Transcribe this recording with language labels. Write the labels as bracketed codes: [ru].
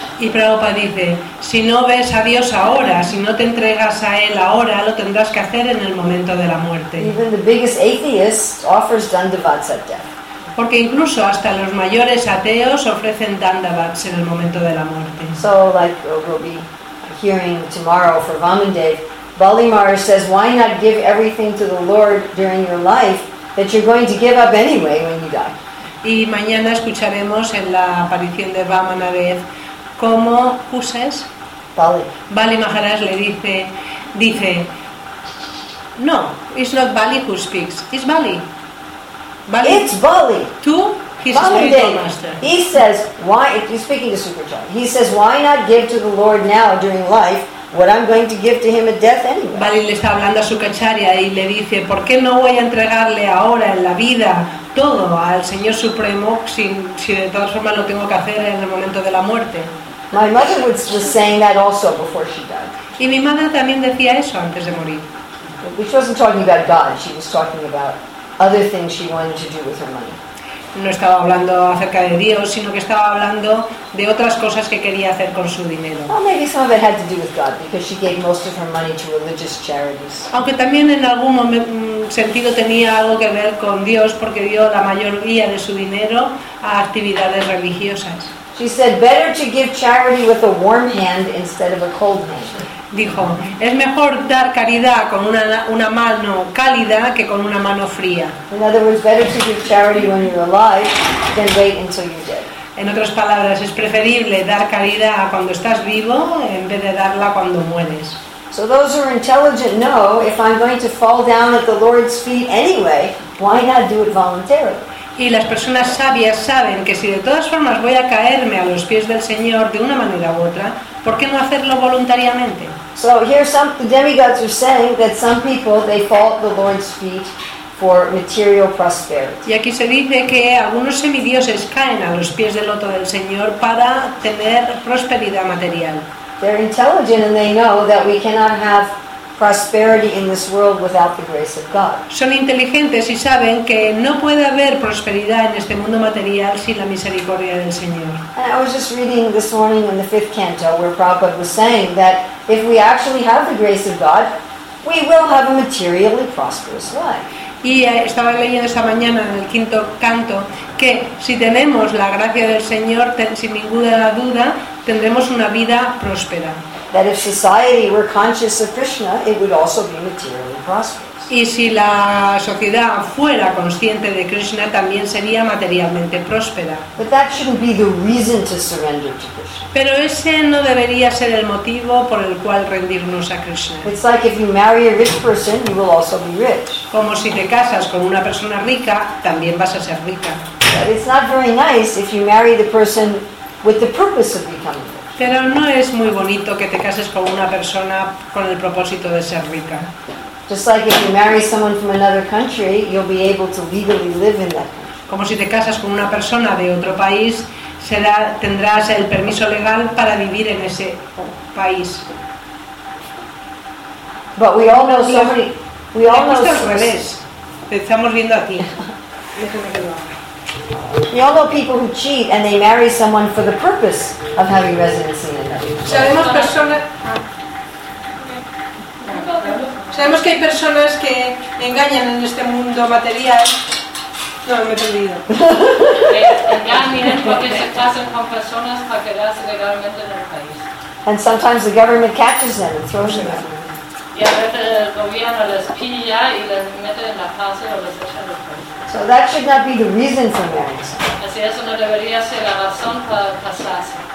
[es] Y Prabhupada dice, si no ves a Dios ahora, si no te entregas a Él ahora, lo tendrás que hacer en el momento de la muerte. [en] Even the biggest atheist offers dandavats at death. [es] Porque incluso hasta los mayores ateos ofrecen dandavats en el momento de la muerte. [en] So, like we'll be hearing tomorrow for Vamandev, Bali Maharaj says, why not give everything to the Lord during your life that you're going to give up anyway when you die? [es] Y mañana escucharemos en la aparición de Vamanadev cómo Kusas, Bali [en] Maharaj [es] le dice, no, [en] it's not Bali who speaks, it's Bali. Bali. It's Bali. [es] Tú, [en] his Bali spiritual Dave. Master. He says, why, he's speaking to Supercharya, he says, why not give to the Lord now during life what I'm going to give to him at death anyway. [es] Bali le está hablando a Sukacharya y le dice, ¿por qué no voy a entregarle ahora en la vida todo al Señor Supremo si de todas formas lo tengo que hacer en el momento de la muerte? [en] My mother was saying that also before she died. [es] Y mi madre también decía eso antes de morir. [en] But she wasn't talking about God, she was talking about other things she wanted to do with her money. [es] No estaba hablando acerca de Dios, sino que estaba hablando de otras cosas que quería hacer con su dinero. [en] Well, maybe some of it had to do with God, because she gave most of her money to religious charities. [es] Aunque también en algún sentido tenía algo que ver con Dios, porque dio la mayoría de su dinero a actividades religiosas. [en] She said, better to give charity with a warm hand instead of a cold hand. [es] Dijo, es mejor dar caridad con una mano cálida que con una mano fría. [en] In other words, better to give charity when you're alive than wait until you're dead. [es] En otras palabras, es preferible dar caridad cuando estás vivo en vez de darla cuando mueres. [en] So those who are intelligent know, if I'm going to fall down at the Lord's feet anyway, why not do it voluntarily? [es] Y las personas sabias saben que si de todas formas voy a caerme a los pies del Señor de una manera u otra, ¿por qué no hacerlo voluntariamente? [en] So here some the demigods are saying that some people they fall at the Lord's feet for material prosperity. [es] Y aquí se dice que algunos semidioses caen a los pies del loto del Señor para tener prosperidad material. [en] They're intelligent and they know that we cannot have prosperity in this world without the grace of God. [es] Son inteligentes y saben que no puede haber prosperidad en este mundo material sin la misericordia del Señor. [en] And I was just reading this morning in the fifth canto where Prabhupada was saying that if we actually have the grace of God, we will have a materially prosperous life. [es] Y estaba leyendo esta mañana en el quinto canto que si tenemos la gracia del Señor, sin ninguna duda, tendremos una vida próspera. [en] That if society were conscious of Krishna, it would also be materially prosperous. [es] Y si la sociedad fuera consciente de Krishna, también sería materialmente próspera. [en] But that shouldn't be the reason to surrender to Krishna. [es] Pero ese no debería ser el motivo por el cual rendirnos a Krishna. [en] It's like if you marry a rich person, you will also be rich. [es] Como si te casas con una persona rica, también vas a ser rica. [en] But it's not very nice if you marry the person with the purpose of becoming rich. [es] Pero no es muy bonito que te cases con una persona con el propósito de ser rica. [en] Just like if you marry someone from another country, you'll be able to legally live in that country. [es] Como si te casas con una persona de otro país, tendrás el permiso legal para vivir en ese país. [en] But we all know somebody. We all know. [es] Al revés. Te estamos viendo aquí. [en] We all know people who cheat and they marry someone for the purpose of having residency in another country. [es] Sabemos que hay personas que engañan en este mundo material. No, me he perdido. Engañan porque se casan con personas para quedarse legalmente en el país. [en] And sometimes the government catches them and throws them out. [es] Y a veces el gobierno les pilla y les mete en la cárcel o les echa en el país. [en] So that should not be the reason for marriage. [es] Así eso no debería ser la razón para casarse.